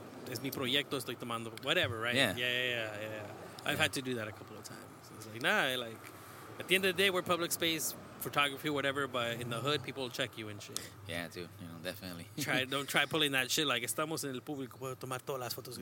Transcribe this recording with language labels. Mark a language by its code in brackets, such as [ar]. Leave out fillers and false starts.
[es] Es mi proyecto, estoy tomando, whatever, right? [en] Yeah. I've had to do that a couple of times. It's like, at the end of the day, we're public space, photography, whatever, but in the hood, people will check you and shit. Yeah, dude, definitely. Don't try pulling that shit like, [es] estamos en el público, puedo tomar todas las fotos.